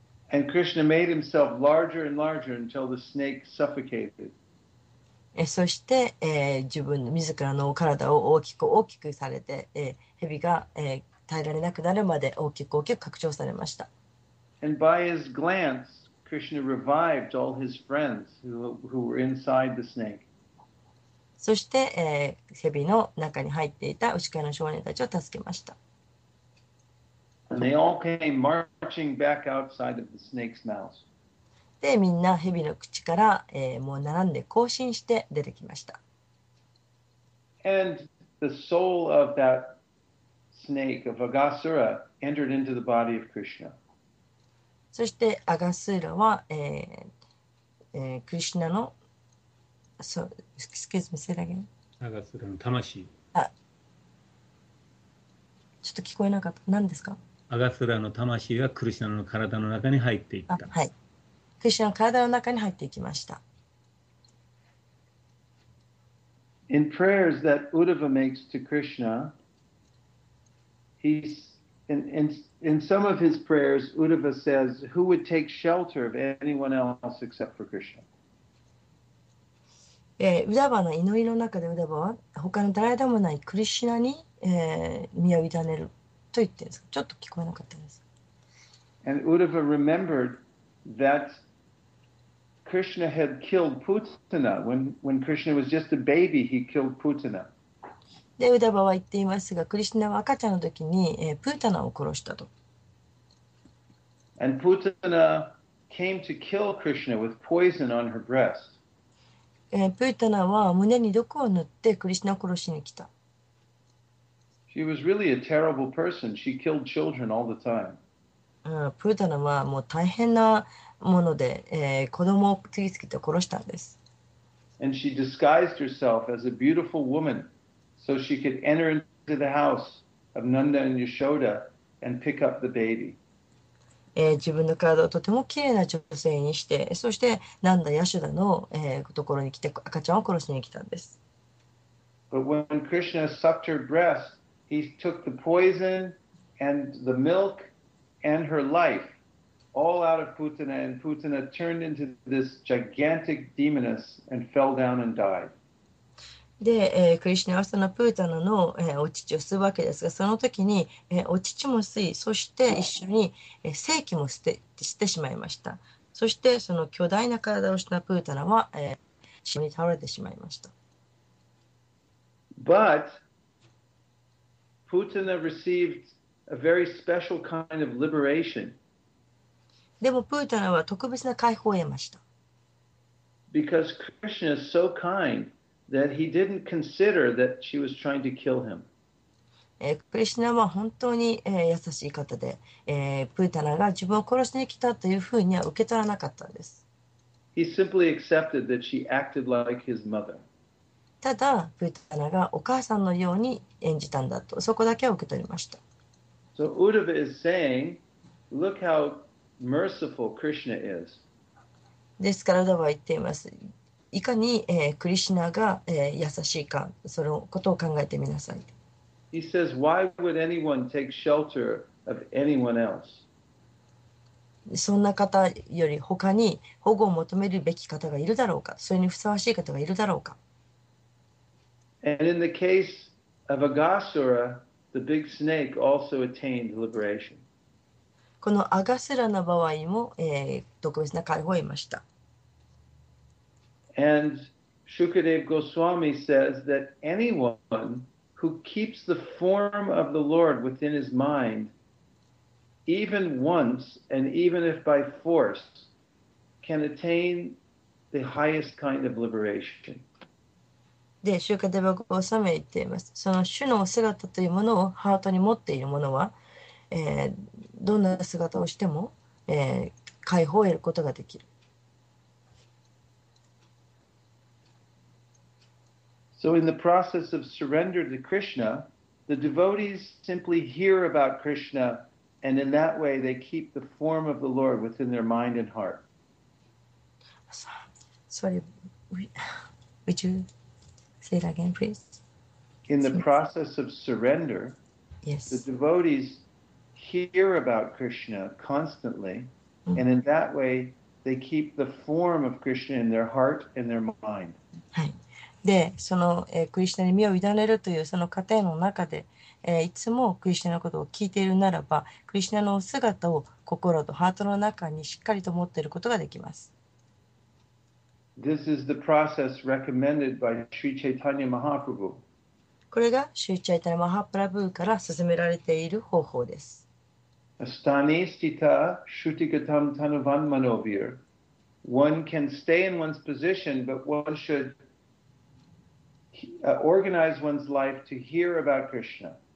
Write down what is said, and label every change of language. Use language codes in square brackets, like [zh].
[en] And Krishna made himself larger and larger until the snake suffocated. [ja] そして、自分の自らの体を大きく大きくされて、蛇が、耐えられなくなるまで大きく大きく拡張されました。 [en] And by his glance, Krishna revived all his friends who were inside the snake. [ja] そして、蛇の中に入っていた牛飼いの少年たちを助けました。 [en] And they all came marching back outside of the snake's mouth. [ja] で、みんな蛇の口から、もう並んで行進して出てきました。 [en] And the soul of that snake, of Agasura, entered into the body of Krishna. [ja] そしてアガスーラは、クリシナの、そう、 [en] excuse me, say that again. [ja] アガスーラの魂。あ、ちょっと聞こえなかった。何ですか？アガスーラの魂はクリシナの体の中に入っていった。あ、はい。クリシナの体の中に入っていきました。 [en] In prayers that Uddhava makes to Krishna, he's in some of his prayers, Uddhava says, "Who would take shelter of anyone else except for Krishna?" [ja] Uddhava の祈りの中で Uddhava は他の誰でもないクリシナに身を委ねると言ってるんですか。ちょっと聞こえなかったです。 [en] And Uddhava remembered that. Krishna had killed Putana when Krishna was just a baby. He killed Putana. [ja] で、ウダバは言っていますが、クリシナは赤ちゃんの時に、プータナを殺したと。 [en] And Putana came to kill Krishna with poison on her breast. [ja] プータナは胸に毒を塗ってクリシナを殺しに来た。 [en] She was really a terrible person. She killed children all the time. [ja] プータナはもう大変な。もので、子供を次々と殺したんです。 [en] And she disguised herself as a beautiful woman so she could enter into the house of Nanda and Yashoda and pick up the baby. [ja] 自分の体をとても綺麗な女性にして、そしてナンダ・ヤシュダの、ところに来て赤ちゃんを殺しに来たんです。 [en] But when Krishna sucked her breast, he took the poison and the milk and her life. All out of Putana, and Putana turned into this gigantic demoness and fell down and died. [ja] で、クリシナはそのプータナの、お乳を吸うわけですが、その時に、お乳も吸い、そして一緒に、精気も捨てしまいました。そしてその巨大な体をしたプータナは、死に倒れてしまいました。 [en] But Putana received a very special kind of liberation. [ja] でもプータナは特別な解放を得ました。 [en] Because Krishna is so kind that he didn't consider that she was trying to kill him. [ja] クリシナは本当に、優しい方で、プータナが自分を殺しに来たというふうには受け取らなかったんです。 [en] He simply accepted that she acted like his mother. [ja] ただプータナがお母さんのように演じたんだと、そこだけは受け取りました。 [en] So Uddhava is saying, look howMerciful Krishna is. [ja] ですから、Uddhava は言っています。いかに、クリシナが、優しいか、そのことを考えてみなさい。 [en] He says, why would anyone take shelter of anyone else? [ja] そんな方より他に保護を求めるべき方がいるだろうか、それにふさわしい方がいるだろうか。 [en] And in the case of Agasura, the big snake also attained liberation. [ja] このアガスラの場合も、特別な解放を得ました。 [en] And Shukadeva Goswami says that anyone who keeps the form of the Lord within his mind, even once and even if by force, can attain the highest kind of liberation. [ja] で、Shukadeva Goswami は言っています。その主の姿というものをハートに持っているものは、どんな姿をしても、解放を得ることができる。 [en] So in the process of surrender to Krishna, the devotees simply hear about Krishna, and in that way they keep the form of the Lord within their mind and heart. Sorry, would you say it again, please? In the process of surrender, yes. The devotees. Hear about Krishna constantly, and in that way, they keep the form of Krishna in their heart and their mind. [ja] はい。で、その、クリシナに身を委ねるというその過程の中で、いつもクリシナのことを聞いているならば、クリシナの姿を心とハートの中にしっかりと持っていることができます。 [en] This is the process recommended by Sri Chaitanya Mahaprabhu. [ja] これがシュチャイタナ・マハプラブーから勧められている方法です。 [sa] Stani stita shutigatam tanuvan manovir. [en] One can stay in one's position, but one should organize one's life to hear about Krishna.